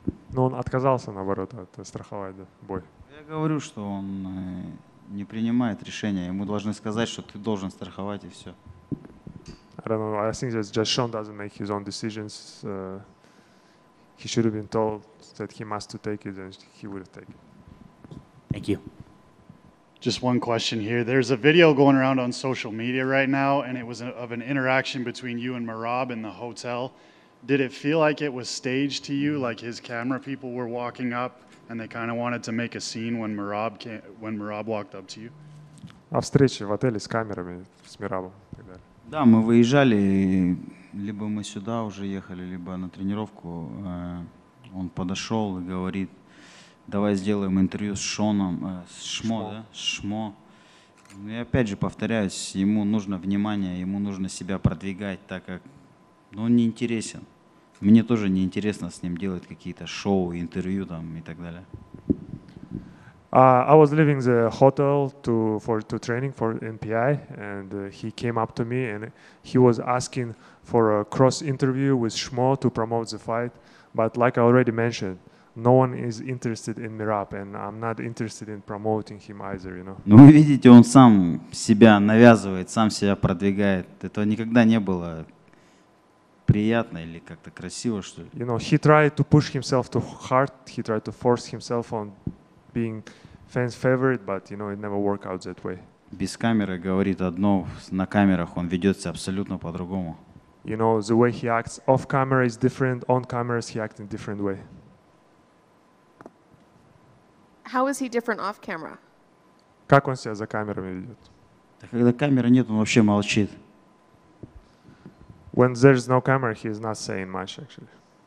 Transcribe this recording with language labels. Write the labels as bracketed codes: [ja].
[ru] Но он отказался, наоборот, от страховать бой. Я говорю, что он не принимает решения. Ему должны сказать, что ты должен страховать, и все. [en] I don't know. I think that just Sean doesn't make his own decisions. He should have been told that he must to take it, and he would have taken. Thank you. Just one question here. There's a video going around on social media right now, and it was of an interaction between you and Merab in the hotel. Did it feel like it was staged to you, like his camera people were walking up and they kind of wanted to make a scene when Merab walked up to you? [ru] А встреча в отеле с камерами, с Мирабом и так далее. Да, мы выезжали, либо мы сюда уже ехали, либо на тренировку. Он подошел и говорит, давай сделаем интервью с Шоном, с Шмо, да? Шмо. И опять же повторяюсь, ему нужно внимание, ему нужно себя продвигать, так как ну, он не интересен. Мне тоже не интересно с ним делать какие-то шоу, интервью там и так далее. [en] I was leaving the hotel to training for NPI, and he came up to me and he was asking for a cross interview with Shmo to promote the fight. But like I already mentioned, no one is interested in Merab, and I'm not interested in promoting him either, you know. [ru] Ну, вы видите, он сам себя навязывает, сам себя продвигает. Это никогда не было приятно или как-то красиво, что ли. [en] You know, he tried to push himself too hard, he tried to force himself on being fan's favorite, but you know, it never worked out that way. [ru] Без камеры говорит одно, на камерах он ведется абсолютно по-другому. [en] You know, the way he acts off camera is different, on cameras he acts in a different way. How is he different off camera? [ru] Как он себя за камерами ведет? Да когда камеры нет, он вообще молчит. [en] When there's no camera, he is not saying much, actually.